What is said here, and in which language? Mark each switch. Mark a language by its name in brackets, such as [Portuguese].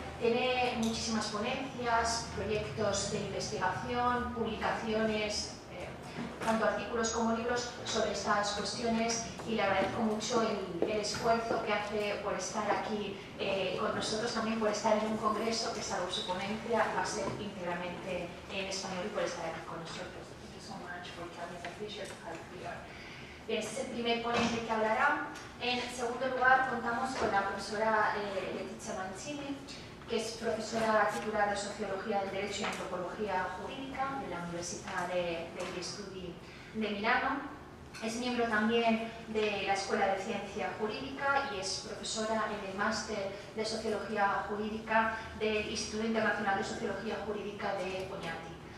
[Spanish] Tiene muchísimas ponencias, proyectos de investigación, publicaciones, tanto artículos como libros sobre estas cuestiones, y le agradezco mucho el esfuerzo que hace por estar aquí con nosotros, también por estar en un congreso que, salvo su ponencia, va a ser íntegramente en español, y por estar aquí con nosotros. [English] Thank you so much for coming. I appreciate how you are. [Spanish] Bien, este es el primer ponente que hablará. En segundo lugar, contamos con la profesora Letizia Mancini, que es profesora titular de Sociología del Derecho y Antropología Jurídica de la Universidad de Studi de Milano. Es miembro también de la Escuela de Ciencia Jurídica y es profesora en el Máster de Sociología Jurídica del Instituto Internacional de Sociología Jurídica de Oñati.